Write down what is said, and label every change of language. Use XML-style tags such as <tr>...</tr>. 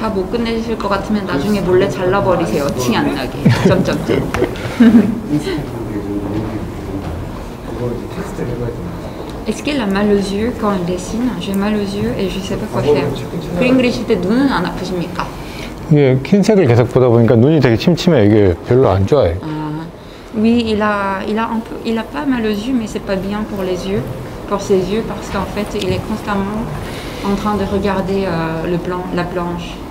<ko>끝내실 것 같으면 나중에 몰래 잘라버리세요. 티 안 나게.</ko> <fr>점점점. Est-ce qu'elle a mal aux yeux quand elle dessine? J'ai mal aux yeux et je sais pas quoi faire.</fr> <ko>그림 그리실 때 눈은 안 아프십니까? 예, 흰 색을 계속 보다 보니까 눈이 되게 침침해. 이게 별로 안 좋아해.</ko> <fr>Oui, il a pas mal aux yeux, mais c'est pas bien pour les yeux, pour ses yeux, parce qu'en fait, il est constamment en train de regarder le blanc, la planche.</fr>